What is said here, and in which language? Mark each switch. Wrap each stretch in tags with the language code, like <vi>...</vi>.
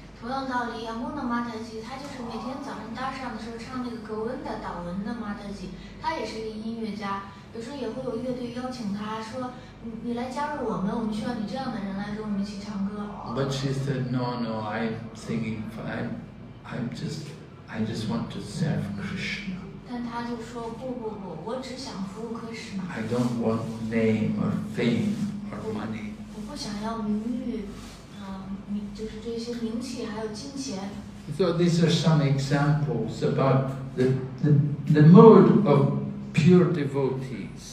<zh>同样道理 Yamuna Mataji, 她就是每天早上搭上的时候唱那个 Govinda 祷文的 Mataji, 她也是一个音乐家，有时候也会有乐队邀请她说你来加入我们，我们需要你这样的人来跟我们一起唱歌。</zh> <en>But she said, "No, no, I'm just want to serve Krishna."</en> <zh>但她就说不不不，我只想服务 Krishna.</zh> <en>I don't want name or fame or money.</en> <zh>我不想要名誉，就是这些名气还有金钱。</zh> <en>So these are some examples about the mood of pure devotee.</en>